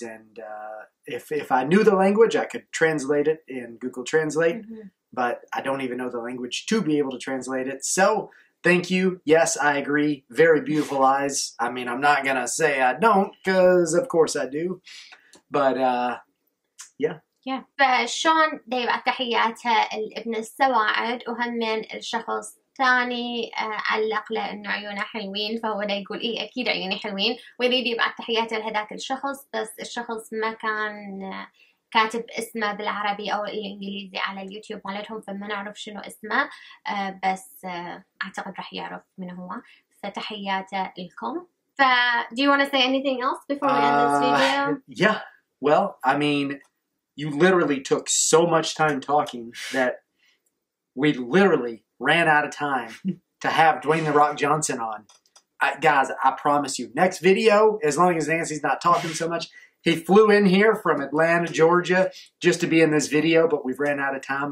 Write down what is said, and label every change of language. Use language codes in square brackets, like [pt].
[en] And if I knew the language, I could translate it in Google Translate. Mm-hmm. But I don't even know the language to be able to translate it. So thank you. Yes, I agree. Very beautiful eyes. I mean, I'm not going to say I don't, because of course I do. But yeah. Yeah. [ar] فشون ديب تحياته الابن السواعد وهم من الشخص ثاني علق له انه عيونه حلوين فهو دا يقول ايه اكيد عيوني حلوين ويريد يبعث تحياته لهذاك الشخص بس الشخص ما كان كاتب اسمه بالعربي او الانجليزي على اليوتيوب مالتهم فما نعرف شنو اسمه بس اعتقد راح يعرف من هو فتحياته لكم ف [en] do you want to say anything else before we end this video? Yeah. Well, I mean, you literally took so much time talking that we literally ran out of time to have Dwayne The Rock Johnson on. Guys, I promise you, next video, as long as Nancy's not talking so much, he flew in here from Atlanta, Georgia, just to be in this video, but we've ran out of time.